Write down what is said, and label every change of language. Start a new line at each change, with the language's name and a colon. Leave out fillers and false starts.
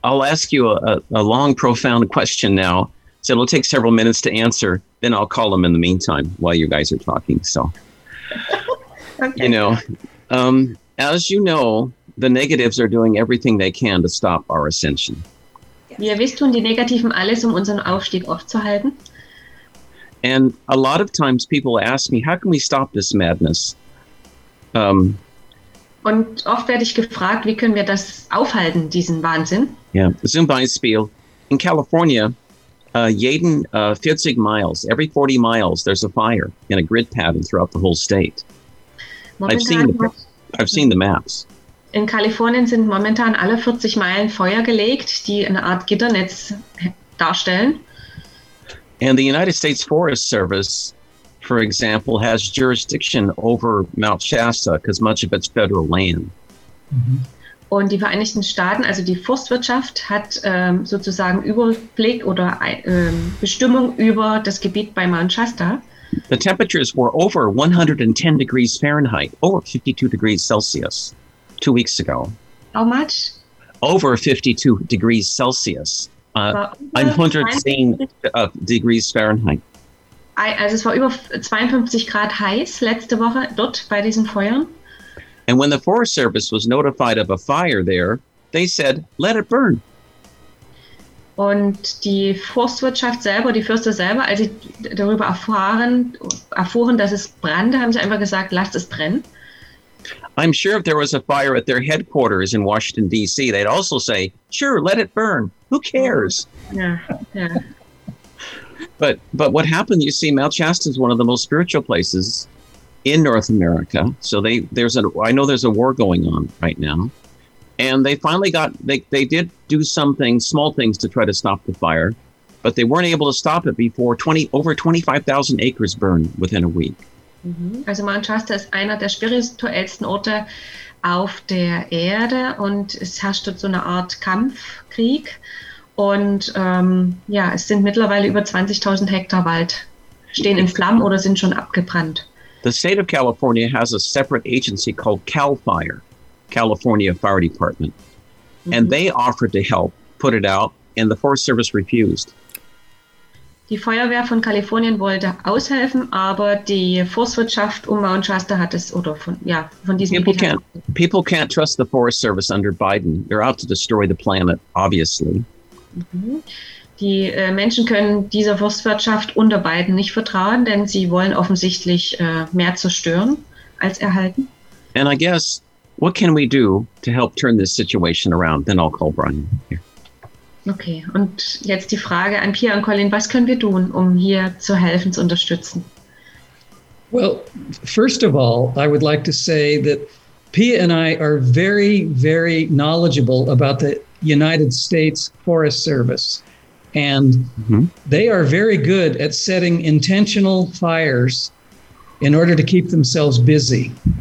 English: I'll ask you a long, profound question now. So it'll take several minutes to answer. Then I'll call them in the meantime while you guys are talking. So, you know, as you know, the negatives are doing everything they can to stop our ascension.
German: Ihr wisst, tun die Negativen alles, um unseren Aufstieg aufzuhalten.
English: And a lot of times people ask me, how can we stop this madness?
German: Und oft werde ich gefragt, wie können wir das aufhalten, diesen Wahnsinn? Ja, zum Beispiel in Kalifornien, jeden 40 Miles,
English: every 40 miles, there's a fire in a grid pattern throughout the whole state. I've seen the maps.
German: In Kalifornien sind momentan alle 40 Meilen Feuer gelegt, die eine Art Gitternetz darstellen.
English: And the United States Forest Service, for example, has jurisdiction over Mount Shasta because much of it's federal land. Mm-hmm.
German: Und die Vereinigten Staaten, also die Forstwirtschaft, hat sozusagen Überblick oder Bestimmung über das Gebiet bei Mount Shasta.
English: The temperatures were over 110 degrees Fahrenheit, over 52 degrees Celsius, 2 weeks ago. How much? Over 52 degrees Celsius. I'm 110 degrees Fahrenheit.
German: Also es war über 52 Grad heiß letzte Woche dort bei diesen Feuern.
English: And when the Forest Service was notified of a fire there, they said, let it burn.
German: Und die Forstwirtschaft selber, die Förster selber, als sie darüber erfuhren, dass es brannte, haben sie einfach gesagt, lasst es brennen.
English: I'm sure if there was a fire at their headquarters in Washington, D.C., they'd also say, sure, let it burn. Who cares? Yeah, yeah. But what happened, you see, Mount Shasta is one of the most spiritual places in North America. So I know there's a war going on right now. And they finally got, they did do something, small things to try to stop the fire, but they weren't able to stop it before over 25,000 acres burned within a week. Mm-hmm.
German: Also Mount Shasta ist einer der spirituellsten Orte auf der Erde und es herrscht dort so eine Art Kampfkrieg. Und es sind mittlerweile über 20.000 Hektar Wald stehen in Flammen oder sind schon abgebrannt.
English: The state of California has a separate agency called Cal Fire, California Fire Department. Mm-hmm. And they offered to help put it out and the Forest Service refused.
German: Die Feuerwehr von Kalifornien wollte aushelfen, aber die Forstwirtschaft um Mount Shasta hat es oder von diesem
English: People can't trust the Forest Service under Biden. They're out to destroy the planet, obviously.
German: Die Menschen können dieser Forstwirtschaft unter Biden nicht vertrauen, denn sie wollen offensichtlich mehr zerstören als erhalten.
English: And I guess, what can we do to help turn this situation around? Then I'll call Brian here.
German: Okay, und jetzt die Frage an Pia und Colin, was können wir tun, um hier zu helfen, zu unterstützen?
English: Well, first of all, I would like to say that Pia and I are very, very knowledgeable about the United States Forest Service. And they are very good at setting intentional fires in order to keep themselves busy.